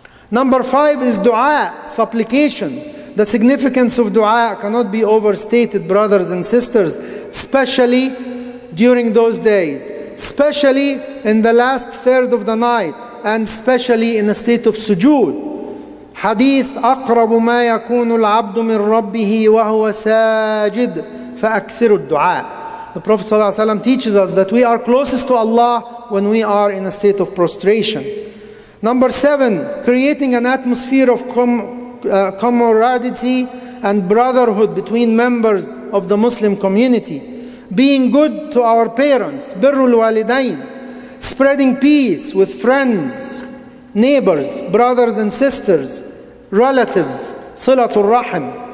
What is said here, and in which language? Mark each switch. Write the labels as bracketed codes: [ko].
[en] Number five is dua, supplication. The significance of dua cannot be overstated, brothers and sisters, especially during those days, especially in the last third of the night, and especially in a state of sujood. [ar] Hadith, أقرب ما يكون العبد من ربه وهو ساجد فأكثر الدعاء. [en] The Prophet [ar] صلى الله عليه وسلم [en] teaches us that we are closest to Allah when we are in a state of prostration. Number seven, creating an atmosphere of camaraderie and brotherhood between members of the Muslim community. Being good to our parents, birrul walidain. Spreading peace with friends, neighbors, brothers and sisters, relatives, salatul rahim.